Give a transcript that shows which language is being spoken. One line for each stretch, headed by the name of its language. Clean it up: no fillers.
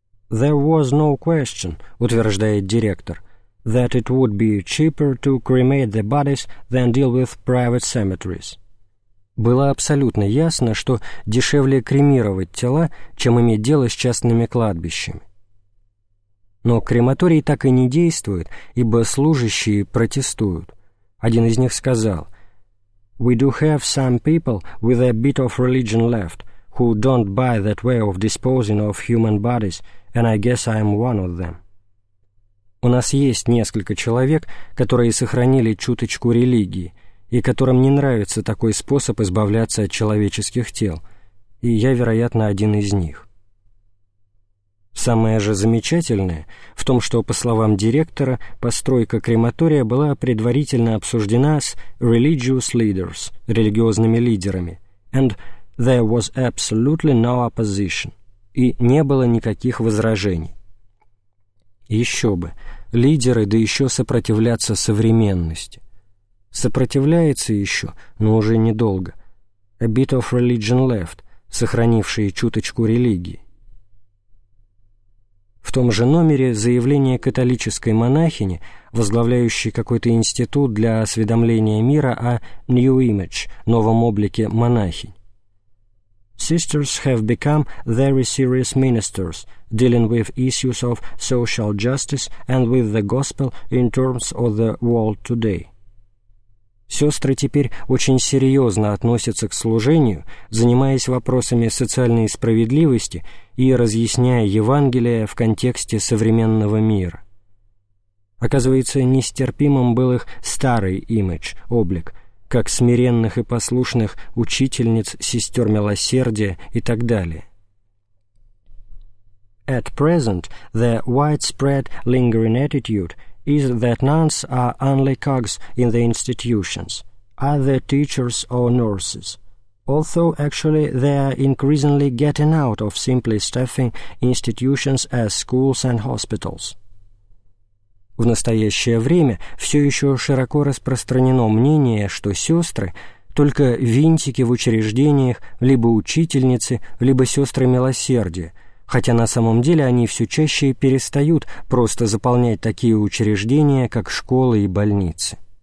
English: «There was no question», —
Russian: утверждает директор,
English: «that it would be cheaper to cremate the bodies than deal with private cemeteries».
Russian: Было абсолютно ясно, что дешевле кремировать тела, чем иметь дело с частными кладбищами. Но крематорий так и не действует, ибо служащие протестуют. Один из них сказал,
English: «We do have some people with a bit of religion left, who don't buy that way of disposing of human bodies, and I guess I'm one of them».
Russian: У нас есть несколько человек, которые сохранили чуточку религии, и которым не нравится такой способ избавляться от человеческих тел, и я, вероятно, один из них. Самое же замечательное в том, что, по словам директора, постройка крематория была предварительно обсуждена с
English: religious leaders,
Russian: религиозными лидерами,
English: and there was absolutely no opposition,
Russian: и не было никаких возражений. Еще бы, лидеры, да еще сопротивляться современности. Сопротивляется еще, но уже недолго.
English: A bit of religion left,
Russian: сохранившие чуточку религии. В том же номере заявление католической монахини, возглавляющей какой-то институт для осведомления мира о New Image, новом облике монахинь.
English: Sisters have become very serious ministers, dealing with issues of social justice and with the gospel in terms of the world today.
Russian: Сестры теперь очень серьезно относятся к служению, занимаясь вопросами социальной справедливости и разъясняя Евангелие в контексте современного мира. Оказывается, нестерпимым был их старый имидж, облик, как смиренных и послушных учительниц, сестер милосердия и так далее.
English: At present, the widespread lingering attitude is that nuns are only cogs in the institutions, either teachers or nurses, although actually they are increasingly getting out of simply staffing institutions as schools and hospitals.
Russian: В настоящее время все еще широко распространено мнение, что сестры — только винтики в учреждениях, либо учительницы, либо сестры милосердия, хотя на самом деле они все чаще перестают просто заполнять такие учреждения, как школы и больницы.